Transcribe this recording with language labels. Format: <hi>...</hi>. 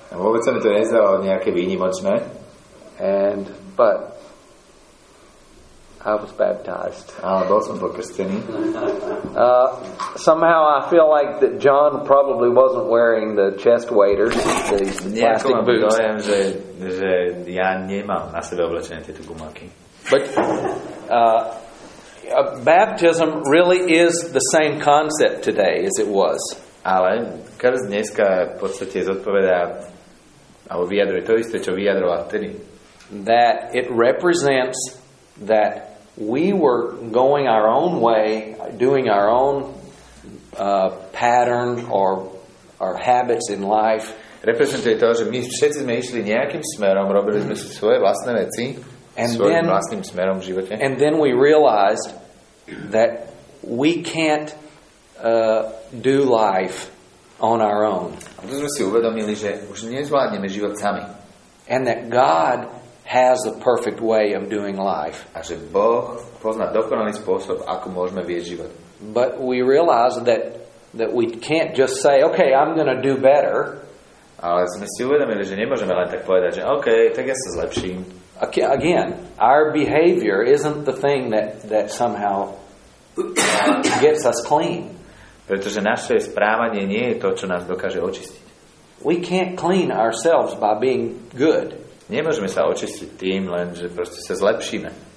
<sk>A vôbec sa mi to nezdalo nejaké výnimočné.</sk> <en>But I was baptized.</en> <sk>Ale bol som pokrstený.</sk> <en>Somehow I feel like that John probably wasn't wearing the chest waders, these plastic boots.</en> <sk>Nejako mám dojem, že ja nemám na sebe oblečené tieto gumáky.</sk> <en>But baptism really is the same concept today as it was.</en> <sk>Ale krst dneska v podstate zodpovedá alebo vyjadruje to isté, čo vyjadroval vtedy.</sk> <en>that it represents that we were going our own way, doing our own pattern or our habits in life.</en> <sk>Reprezentuje to, že my všetci sme išli nejakým smerom, robili sme svoje vlastné veci, svojím vlastným smerom v živote.</sk> <en>And then we realized that we can't do life on our own.</en> <sk>A to sme si uvedomili, že už nezvládneme život sami.</sk> <en>And that God has a perfect way of doing life.</en> <sk>A že Boh pozná dokonalý spôsob, ako môžeme viesť život.</sk> <en>But we realized that we can't just say, okay, I'm going to do better.</en> <sk>Ale sme si uvedomili, že nemôžeme len tak povedať, že OK, tak ja sa zlepším.</sk> <en>Again, our behavior isn't the thing that somehow gets us clean.</en> <sk>Pretože naše správanie nie je to, čo nás dokáže očistiť.</sk> <en>We can't clean ourselves by being good.</en> <sk>Nemôžeme sa očistiť tým, len že proste sa zlepšíme.</sk>